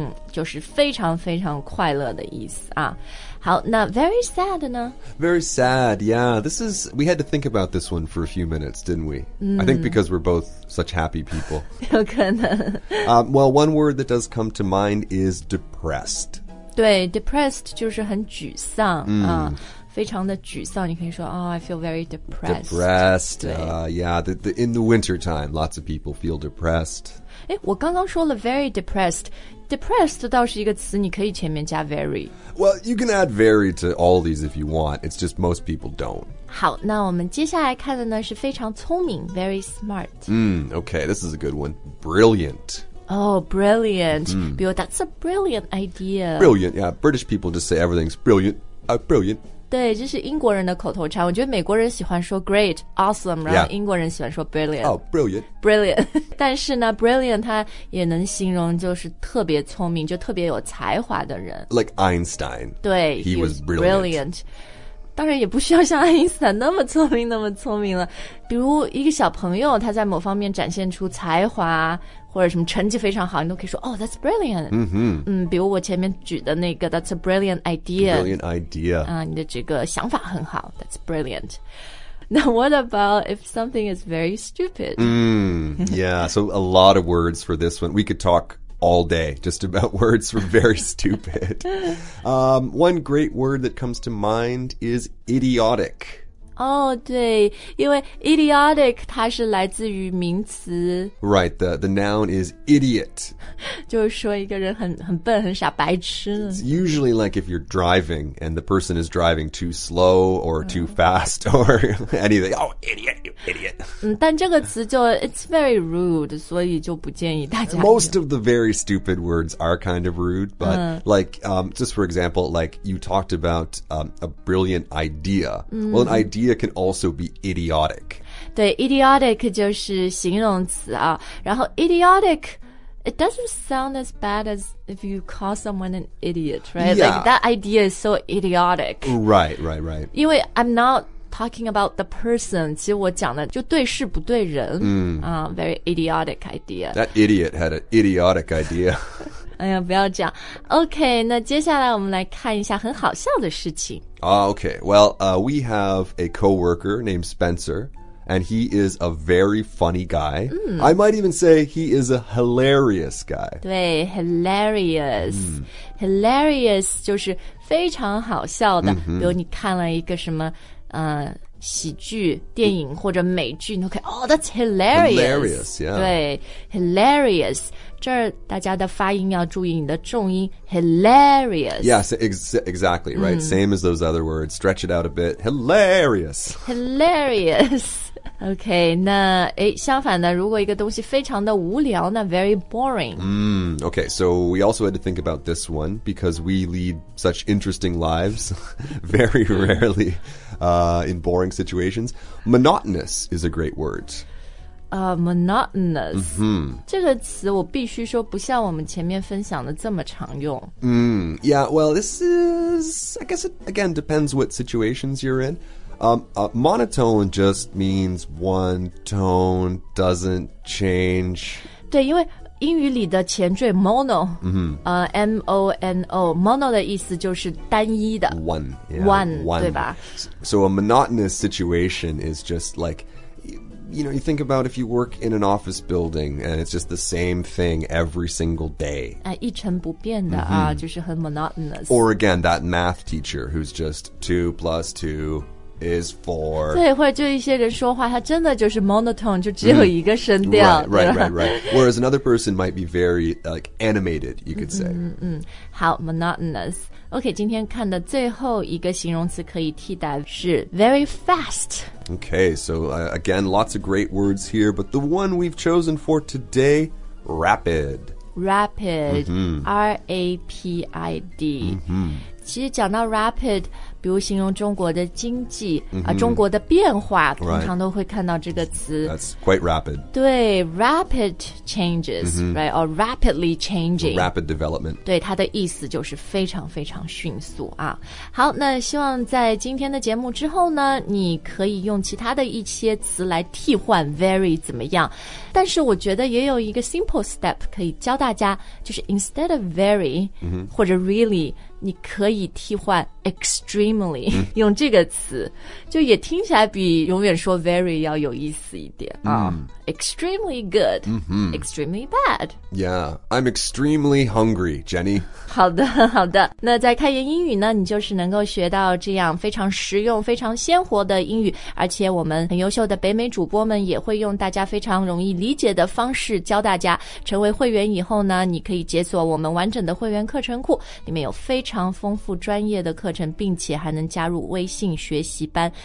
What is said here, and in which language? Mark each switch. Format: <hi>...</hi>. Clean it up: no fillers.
<zh>就是非常非常快乐的意思、好那</zh> <en>very sad</en> <zh>呢</zh> <en>Very sad, yeah This is, we had to think about this one for a few minutes, didn't we?、I think because we're both such happy people</en> <zh>有可能、</zh> <en>Well, one word that does come to mind is depressed</en> <zh>对 depressed 就是很沮丧、非常的沮丧你可以说</zh> <en>Oh, I feel very depressed Depressed, yeah the, In the wintertime, lots of people feel depressed</en> <zh>诶我刚刚说了</zh> <en>very depressed</en> <zh>Depressed 倒是一个词你可以前面加 very</zh> <en>Well, you can add very to all these if you want It's just most people don't</en> <zh>好那我们接下来看的呢是非常聪明</zh> <en>Very smart Okay, this is a good one Brilliant Oh, brilliant、</en> <zh>比如</zh> <en>That's a brilliant idea Brilliant, yeah British people just say everything's brilliant Brilliant 对这是英国人的口头禅我觉得美国人喜欢说 great, awesome 然后英国人喜欢说 brilliant、 yeah. Oh, brilliant</en> <zh>Brilliant 但是呢 brilliant 它也能形容就是特别聪明就特别有才华的人</zh> <en>Like Einstein</en> <zh>对</zh> <en>He was</en> <zh>brilliant 当然也不需要像爱因斯坦那么聪明那么聪明了比如一个小朋友他在某方面展现出才华或者什么成绩非常好你都可以说</zh> <en>Oh, that's brilliant、 mm-hmm.</en> <zh>比如我前面举的那个</zh> <en>That's a brilliant idea Brilliant idea、</en> <zh>你的这个想法很好</zh> <en>That's brilliant Now what about if something is very stupid、 Yeah, so a lot of words for this one We could talk all day Just about words for very stupid 、one great word that comes to mind is idiotic</en> <zh>哦、oh, 对因为 idiotic 它是来自于名词</zh> <en>Right, the noun is idiot</en> <zh>就是说一个人很笨很傻白痴</zh> <en>It's usually like if you're driving and the person is driving too slow or too fast or anything Oh, idiot, you idiot</en> <zh>但这个词就</zh> <en>it's very rude</en> <zh>所以就不建议大家</zh> <en>Most of the very stupid words are kind of rude But like, just for example, like you talked about a brilliant idea Well, an idea can also be idiotic.</en> <zh>对 ,idiotic 就是形容词啊。然后</zh> <en>idiotic, it doesn't sound as bad as if you call someone an idiot, right? Yeah. Like, that idea is so idiotic. Right, right, right.</en> <zh>因为</zh> <en>I'm not talking about the person,</en> <zh>其实我讲的就对事不对人。</zh> <en>Very idiotic idea. That idiot had an idiotic idea.</en> <zh>哎呀，不要这样。 OK, 那接下来我们来看一下很好笑的事情。</zh> <en>Okay, well, we have a coworker named Spencer, and he is a very funny guy. Mm. I might even say he is a hilarious guy. 对 hilarious.、Mm.</en> <zh>Hilarious 就是非常好笑的。 Mm-hmm. 比如你看了一个什么、喜剧电影或者美剧你都可以</zh> <en>oh, that's hilarious. Hilarious, yeah.</en> <zh>对 hilarious. 这儿大家的发音要注意你的重音 hilarious.</zh> <en>Yes, exactly, right?、Mm. Same as those other words. Stretch it out a bit. Hilarious. Hilarious.</en> <zh>Okay, 那诶相反的如果一个东西非常的无聊那</zh> <en>very boring.、 Mm, okay, so we also had to think about this one because we lead such interesting lives very rarely、in boring situations. Monotonous is a great word. Monotonous、 mm-hmm.</en> <zh>这个词我必须说不像我们前面分享的这么常用、</zh> <en>mm, Yeah, well, this is I guess it, again, depends what situations you're in monotone just means one tone doesn't change</en> <zh>对因为英语里的前缀 mono、 mm-hmm. M-O-N-O Mono 的意思就是单一的</zh> <en>One, yeah,</en> <zh>one 对吧</zh> <en>So a monotonous situation is just likeYou know, you think about if you work in an office building and it's just the same thing every single day.</en> <zh>一成不变的啊，就是很 monotonous.</zh> <en>Or again, that math teacher who's just 2 + 2 = 4.</en> <zh>对，或者就一些人说话，他真的就是 monotone, 就只有一个声调。</zh> <en>Right, right, right, right. Whereas another person might be very, like, animated, you could say.</en> <zh>好 monotonous. OK, 今天看的最后一个形容词可以替代是</zh> <en>very fast. Okay, so again, lots of great words here, but the one we've chosen for today, rapid. Rapid,、mm-hmm. R-A-P-I-D.、 Mm-hmm.</en> <zh>其实讲到 rapid, 比如形容中国的经济、mm-hmm. 中国的变化、</zh> <en>right.</en> <zh>通常都会看到这个词。</zh> <en>That's quite rapid.</en> <zh>对</zh> <en>rapid changes,、</en> <zh>mm-hmm.</zh> <en>right, or rapidly changing. Rapid development.</en> <zh>对它的意思就是非常非常迅速啊。好那希望在今天的节目之后呢你可以用其他的一些词来替换 very 怎么样。但是我觉得也有一个</zh> <en>simple step</en> <zh>可以教大家就是</zh> <en>instead of very,、 mm-hmm.</en> <zh>或者 really,你可以替换 extremely、mm. 用这个词就也听起来比永远说 very 要有意思一点、 mm.</zh> <en>Extremely good、 mm-hmm. Extremely bad Yeah, I'm extremely hungry, Jenny</en> <zh>好的好的那在开言英语呢你就是能够学到这样非常实用非常鲜活的英语而且我们很优秀的北美主播们也会用大家非常容易理解的方式教大家成为会员以后呢你可以解锁我们完整的会员课程库里面有非常丰富专业的课程并且还能加入微信学习班</zh>